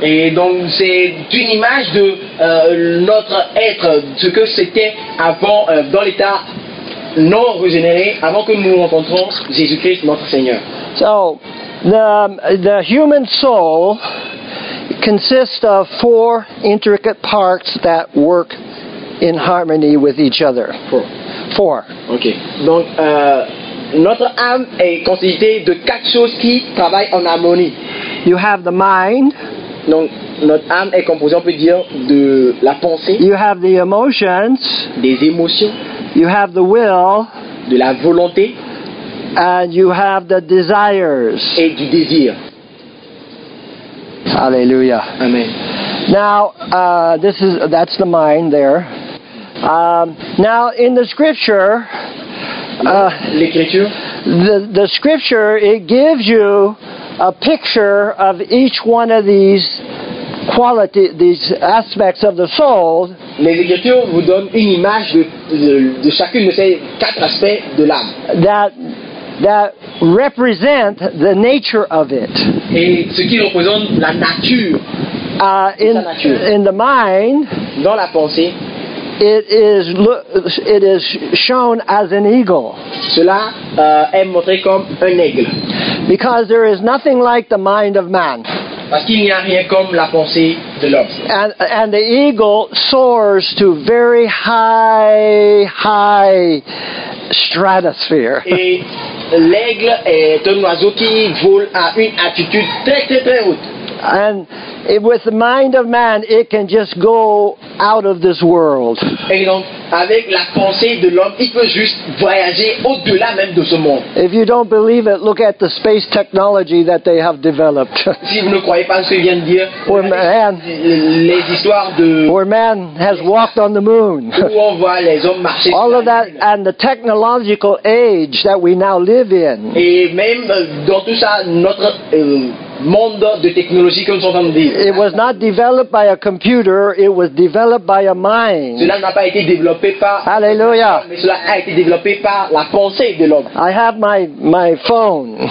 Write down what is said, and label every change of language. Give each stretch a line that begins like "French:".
French: Et donc c'est une image de notre être, ce que c'était avant dans l'état non régénéré avant que nous rencontrions Jésus-Christ notre Seigneur.
English: So the human soul consists of four intricate parts that work in harmony with each other. Four. Okay.
French: Donc, notre âme est constituée de quatre choses qui travaillent en harmonie.
English: You have the mind.
French: Donc, notre âme est composée, on peut dire, de la pensée.
English: You have the emotions.
French: Des émotions.
English: You have the will.
French: De la volonté.
English: And you have the desires.
French: Et du désir.
English: Hallelujah. Amen. Now, that's the mind there. Now, in the scripture,
French: L'écriture.
English: The scripture, it gives you a picture of each one of these qualities, these aspects of the soul.
French: Les écritures vous donnent une image de chacune de ces quatre aspects de l'âme.
English: That represent the nature of it.
French: Et ce qui représente la nature.
English: In the mind.
French: Dans la pensée.
English: It is shown as an eagle.
French: Cela est montré comme un aigle.
English: Because there is nothing like the mind of man.
French: Parce qu'il n'y a rien comme la pensée de l'homme.
English: And the eagle soars to very high stratosphere.
French: L'aigle est un oiseau qui vole à une altitude très très très haute.
English: And with the mind of man, it can just go out of this world.
French: Et donc, avec la pensée de l'homme, il peut juste voyager au-delà même de ce monde.
English: If you don't believe it, look at the space technology that they have developed.
French: Si vous ne croyez pas ce que vient de dire, les histoires de
English: where man has walked on the moon.
French: Où on voit les hommes marcher.
English: All of that and the technological age that we now live in.
French: Et même dans tout ça, notre monde de technologie que nous sommes en train de vivre.
English: It was not developed by a computer, it was developed by a mind.
French: Cela n'a pas été développé par Alléluia. Mais cela a été développé par la pensée de l'homme.
English: I have my phone.